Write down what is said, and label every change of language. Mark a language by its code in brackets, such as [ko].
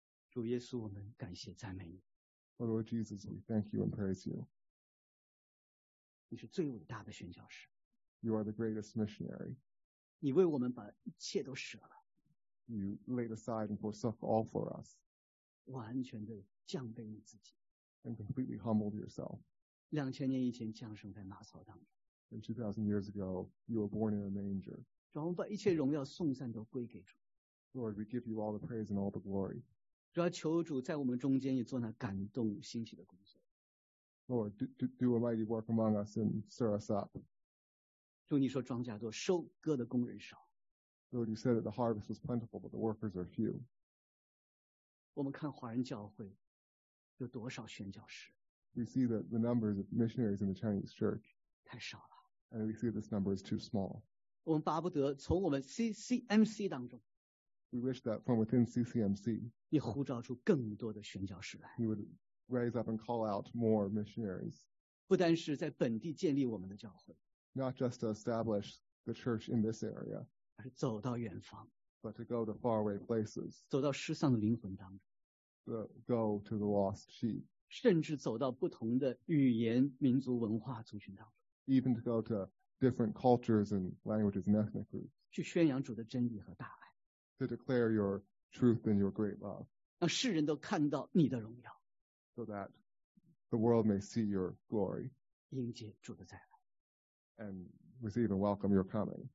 [zh] 主耶稣，我们感谢赞美你。 [en] Lord Jesus, we thank you and praise you. [zh] 你是最伟大的宣教士。 [en] You are the greatest missionary. [zh] 你为我们把一切都舍了。 [en] You laid aside and forsook all for us. [zh] 完全的降卑你自己。 [en] And completely humbled yourself. [zh] 2000年以前降生在马槽当中。 [en] And 2000 years ago, you were born in a manger. [zh] 主，我们把一切荣耀颂赞都归给主。 [en] Lord, we give you all the praise and all the glory. [zh] 主，求主在我们中间也做那感动兴起的工作。 [en] Lord, do a mighty work among us and stir us up. [zh] 主，你说庄稼多，收割的工人少。 [en] Lord, you said that the harvest was plentiful, but the workers are few. [zh] 我们看华人教会有多少宣教士。 [en] We see that the numbers of missionaries in the Chinese church. [zh] 太少了。 [en] And we see this number is too small. [zh] 我们巴不得从我们 CCMC 当中。 [en] We wish that from within CCMC. [zh] 你呼召出更多的宣教士来。 [en] You would raise up and call out more missionaries. [zh] 不单是在本地建立我们的教会, [en] not just to establish the church in this area, [zh] 而是走到远方, [en] but to go to faraway places, [zh] 走到失丧的灵魂当中, [en] to go to the lost sheep, [zh] 甚至走到不同的语言、民族、文化、族群当中, [en] even to go to different cultures and languages and ethnic groups, [zh] 去宣扬主的真理和大爱, [en] to declare your truth and your great love, [zh] 让世人都看到你的荣耀。 [en] So that the world may see your glory. [zh] 迎接主的再来。 [en] And receive and welcome your coming.